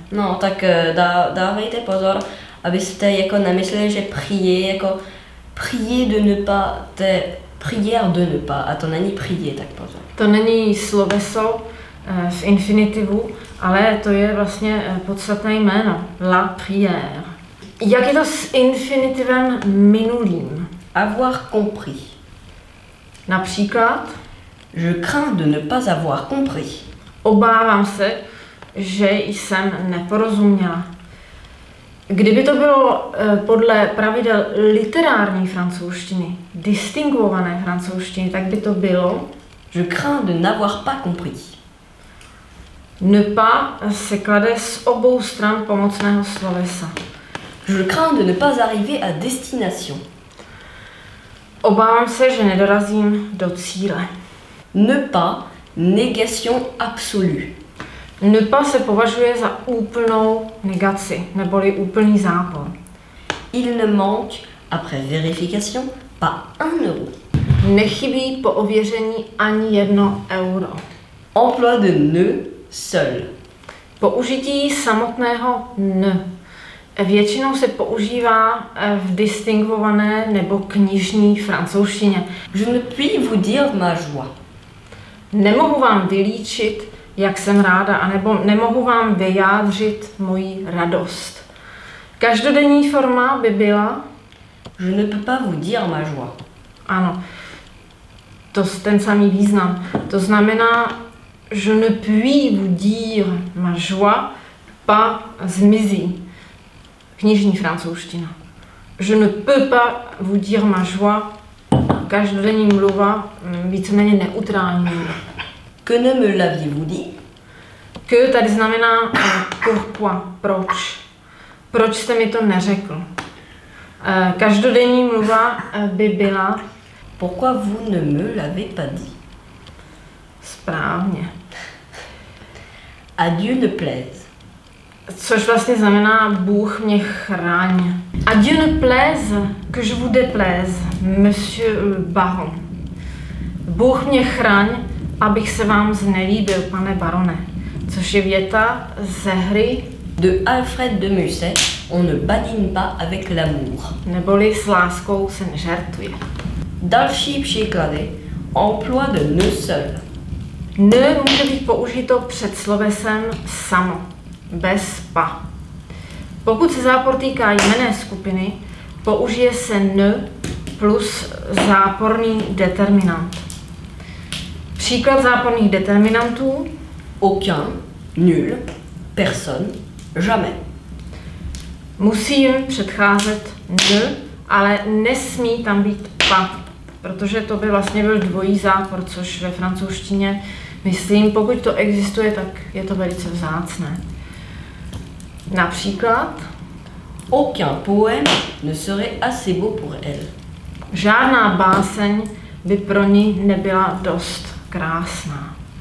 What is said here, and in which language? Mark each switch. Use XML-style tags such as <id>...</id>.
<cs>No, tak dávejte pozor, abyste jako nemysleli, že prier, jako prier de ne pas, te,</cs> <fr>prière de ne pas,</fr> <cs>a to není prier, tak pozor. To není sloveso v infinitivu, ale to je vlastně podstatné jméno, la prière. Jak je to s infinitivem minulým?</cs> <fr>Avoir compris.</fr> <cs>Například?</cs> <fr>Je crains de ne pas avoir compris.</fr> <cs>Obávám se, že jsem neporozuměla. Kdyby to bylo podle pravidel literární francouzštiny, distinguované francouzštiny, tak by to bylo...</cs> <fr>Je crains de n'avoir pas compris.</fr> <cs>Ne pas se klade z obou stran pomocného slovesa.</cs> <fr>Je crains de ne pas arriver à destination.</fr> <cs>Obávám se, že nedorazím do cíle.</cs> <fr>Ne pas, négation absolue.</fr> <cs>Ne pas se považuje za úplnou negaci, neboli úplný zápor.</cs> <fr>Il ne manque, après vérification, pas un euro.</fr> <cs>Nechybí po ověření ani jedno euro.</cs> <fr>Emploi de ne seul.</fr> <cs>Použití samotného ne. Většinou se používá v distinguované nebo knižní francouzštině.</cs> <fr>Je ne puis vous dire ma joie.</fr> <cs>Nemohu vám vylíčit, jak jsem ráda, anebo nemohu vám vyjádřit moji radost. Každodenní forma by byla...</cs> <fr>Je ne peux pas vous dire ma joie.</fr> <cs>Ano, to je ten samý význam. To znamená,</cs> <fr>je ne puis vous dire ma joie, pas</fr> <cs>zmizí. Knižní francouzština.</cs> <fr>Je ne peux pas vous dire ma joie.</fr> <cs>Každodenní mluva víceméně neutrální.</cs> <fr>Que ne me l'aviez-vous dit?</fr> <cs>Que tady znamená pourquoi, proč. Proč jste mi to neřekl? Každodenní mluva by byla...</cs> <fr>Pourquoi vous ne me l'avez pas dit?</fr> <cs>Správně.</cs> <fr>A Dieu ne plaise.</fr> <cs>Což vlastně znamená Bůh mě chráň.</cs> <fr>A Dieu ne plaise, que je vous déplaise, monsieur le baron.</fr> <cs>Bůh mě chráň, abych se vám znelíbil, pane barone. Což je věta ze hry</cs> <fr>de Alfred de Musset, on ne badine pas avec l'amour.</fr> <cs>Neboli s láskou se nežertuje. Další příklady,</cs> <fr>emploi de ne seul.</fr> <cs>Ne může být použito před slovesem samo. Bez pa. Pokud se zápor týká jmenné skupiny, použije se ne plus záporný determinant. Příklad záporných determinantů.</cs> <fr>Aucun, nul, personne, jamais.</fr> <cs>Musí jim předcházet ne, ale nesmí tam být pa. Protože to by vlastně byl dvojí zápor, což ve francouzštině, myslím, pokud to existuje, tak je to velice vzácné. Například</cs> <fr>aucun poème ne serait assez beau pour elle.</fr> <cs>Žádná báseň by pro ní nebyla dost krásná.</cs>